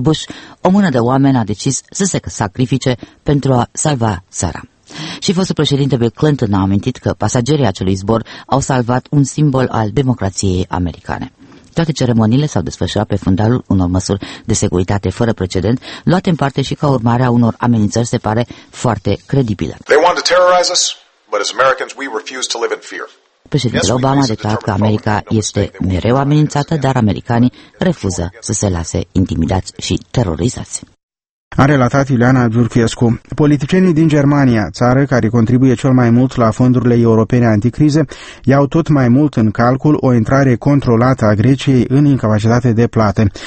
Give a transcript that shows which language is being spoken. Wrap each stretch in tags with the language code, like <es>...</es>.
<ro>Bush, o mână de oameni a decis să se sacrifice pentru a salva țara. Și fostul președinte Bill Clinton a amintit că pasagerii acelui zbor au salvat un simbol al democrației americane. Toate ceremoniile s-au desfășurat pe fundalul unor măsuri de securitate fără precedent, luate în parte și ca urmare a unor amenințări, se pare foarte credibile.</ro> <en>They want to terrorize us, but as Americans we refuse to live in fear.</en> <ro>Președintele Obama a declarat că America este mereu amenințată, dar americanii refuză să se lase intimidați și terorizați. A relatat Ileana Giurchescu. Politicienii din Germania, țară care contribuie cel mai mult la fondurile europene anticrize, iau tot mai mult în calcul o intrare controlată a Greciei în incapacitate de plată.</ro>